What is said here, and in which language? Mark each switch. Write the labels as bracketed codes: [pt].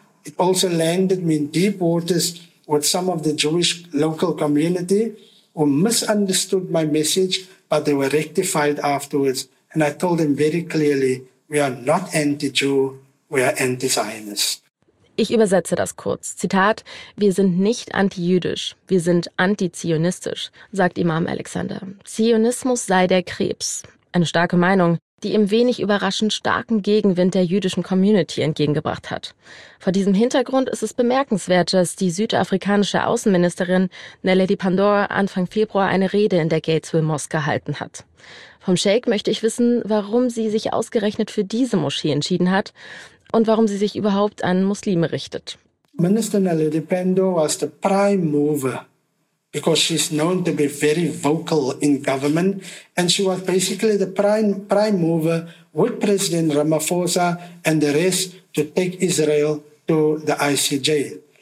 [en] It also landed me in deep waters with some of the Jewish local community who misunderstood my message, but they were rectified afterwards. And I told them very clearly, we are not anti-Jew, we are anti-Zionist. [de] Ich übersetze das kurz. Zitat, wir sind nicht antijüdisch, wir sind antizionistisch, sagt Imam Alexander. Zionismus sei der Krebs. Eine starke Meinung, die ihm wenig überraschend starken Gegenwind der jüdischen Community entgegengebracht hat. Vor diesem Hintergrund ist es bemerkenswert, dass die südafrikanische Außenministerin Naledi Pandor Anfang Februar eine Rede in der Gatesville Mosque gehalten hat. Vom Sheikh möchte ich wissen, warum sie sich ausgerechnet für diese Moschee entschieden hat und warum sie sich überhaupt an Muslime richtet. [en] Minister Naledi Pandor was the prime mover, because she's known to be very vocal in government, and she was basically the prime mover with President Ramaphosa and the rest to take Israel to the ICJ.